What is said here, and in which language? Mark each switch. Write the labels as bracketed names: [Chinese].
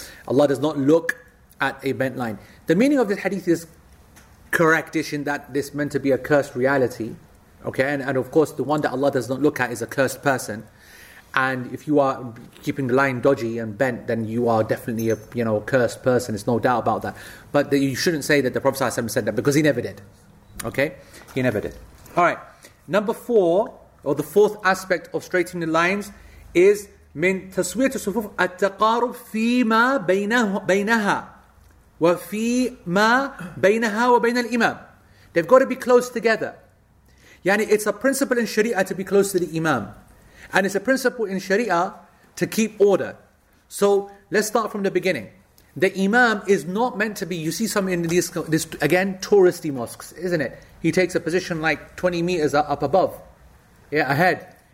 [English] Allah does not look at a bent line. The meaning of this hadith is correct-ish in that this meant to be a cursed reality, okay? And of course, the one that Allah does not look at is a cursed person. And if you are keeping the line dodgy and bent, then you are definitely a cursed person. There's no doubt about that. But you shouldn't say that the Prophet ﷺ said that, because he never did. Okay? He never did. All right. Number four, or the fourth aspect of straightening the lines, is [Arabic] من تسوية الصفوف التقارب فيما بينها وفيما بينها وبين الإمام. [English] They've got to be close together. Yani it's a principle in Sharia to be close to the Imam. And it's a principle in Sharia to keep order. So let's start from the beginning. The imam is not meant to be, you see some in this again, touristy mosques, isn't it? He takes a position like 20 meters up above, yeah, ahead.